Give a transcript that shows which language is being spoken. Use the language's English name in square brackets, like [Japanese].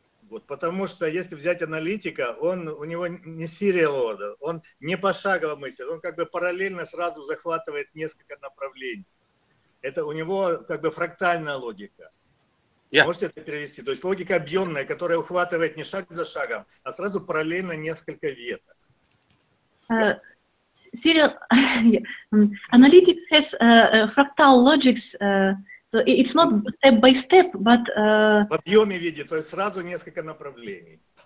[Russian] Вот, потому что если взять аналитика, он, у него не [English] serial order, [Russian] он не пошагово мыслит, он как бы параллельно сразу захватывает несколько направлений. Это у него как бы фрактальная логика. [English] Yeah. [Russian] Можете это перевести? То есть логика объемная, которая ухватывает не шаг за шагом, а сразу параллельно несколько веток. [English] serial analytics has fractal logics, so it's not step by step, but [Russian] в объеме виде, то есть сразу несколько направлений.